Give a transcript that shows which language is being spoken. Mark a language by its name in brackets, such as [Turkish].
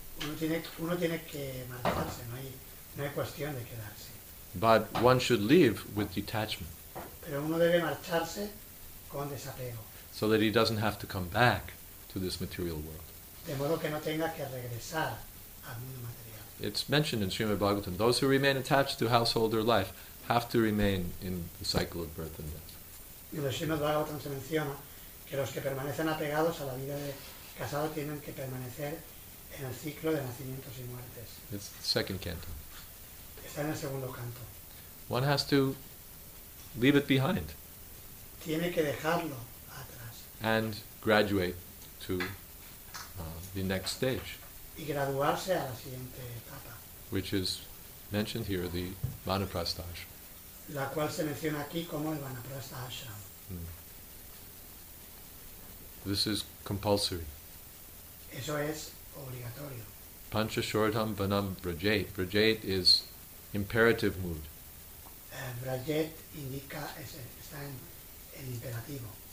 [Spanish] Uno tiene que marcharse, no hay. No hay cuestión de quedarse. [English] But one should leave with detachment. [Spanish] Pero uno debe marcharse con desapego. [English] So that he doesn't have to come back to this material world. [Spanish] De modo que no tenga que regresar al mundo material. [English] It's mentioned in Srimad Bhagavatam, those who remain attached to householder life have to remain in the cycle of birth and death. [Spanish] Y en Srimad Bhagavatam se menciona que los que permanecen apegados a la vida de casado tienen que permanecer en el ciclo de nacimientos y muertes. [English] It's the second canto. [Spanish] En el segundo canto. [English] One has to leave it behind. [Spanish] Tiene que dejarlo atrás. [English] And graduate to the next stage. [Spanish] Y graduarse a la siguiente etapa. [English] Which is mentioned here, the Vanaprastha Ashram. [Spanish] La cual se menciona aquí como el Vanaprastha Ashram. Mm. [English] This is compulsory. [Spanish] Eso es obligatorio. [Sanskrit] Pancha Shortam Vanam Vrajet. [English] Vrajet is imperative mood. [Spanish] Vrajet indica está en el imperativo.